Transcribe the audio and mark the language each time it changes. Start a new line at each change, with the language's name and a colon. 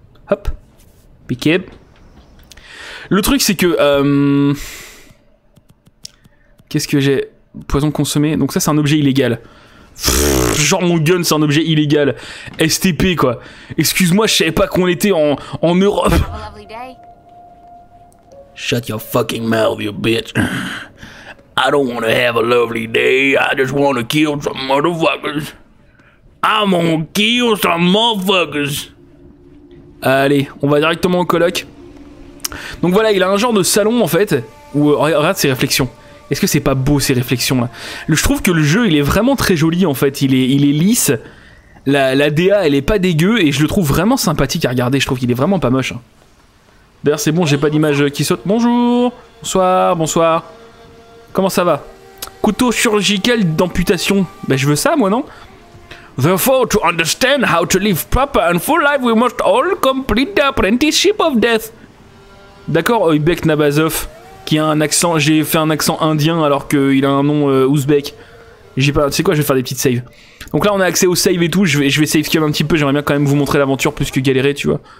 French: Hop, piqué. Le truc, c'est que qu'est-ce que j'ai? Poison consommé. Donc ça, c'est un objet illégal. Genre mon gun, c'est un objet illégal. STP quoi. Excuse-moi, je savais pas qu'on était en Europe.
English: Shut your fucking mouth, you bitch. I don't wanna have a lovely day. I just wanna kill some motherfuckers. I'm gonna kill some motherfuckers.
French: Allez, on va directement au coloc. Donc voilà, il a un genre de salon en fait. Où, regarde ses réflexions. Est-ce que c'est pas beau ces réflexions là? Je trouve que le jeu il est vraiment très joli en fait. Il est lisse. La DA elle est pas dégueu. Et je le trouve vraiment sympathique à regarder. Je trouve qu'il est vraiment pas moche. D'ailleurs c'est bon, j'ai pas d'image qui saute. Bonjour, bonsoir, bonsoir. Comment ça va? Couteau chirurgical d'amputation. Ben je veux ça moi non?
English: Therefore to understand how to live proper and full life, we must all complete the apprenticeship of death.
French: D'accord, Oybek Nabazov. Qui a un accent, j'ai fait un accent indien alors qu'il a un nom ouzbek. J'ai pas, tu sais quoi, je vais faire des petites saves. Donc là, on a accès aux saves et tout. Je vais save scam un petit peu. J'aimerais bien quand même vous montrer l'aventure plus que galérer, tu vois.